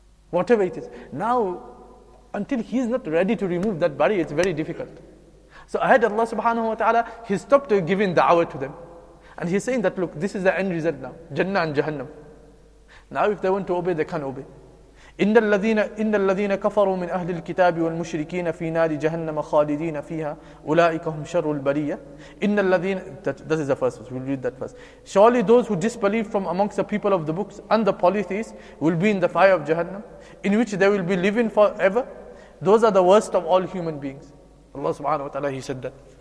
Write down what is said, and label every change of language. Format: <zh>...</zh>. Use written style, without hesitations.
<en>Whatever it is. Now, until he's not ready to remove that barrier, it's very difficult. So ahead, Allah subhanahu wa ta'ala, he stopped giving da'wah to them. And he's saying that, look, this is the end result now. Jannah and Jahannam. Now if they want to obey, they can obey.</en> <ar>إن الذين كفروا من أهل الكتاب والمشركين في نار جهنم خالدين فيها أولئك هم شر البرية إن الذين</ar> <en>This is the first verse. We'll read that first. Surely those who disbelieve from amongst the people of the books and the polytheists will be in the fire of Jahannam, in which they will be living forever. Those are the worst of all human beings. Allah subhanahu wa ta'ala, he said that.</en>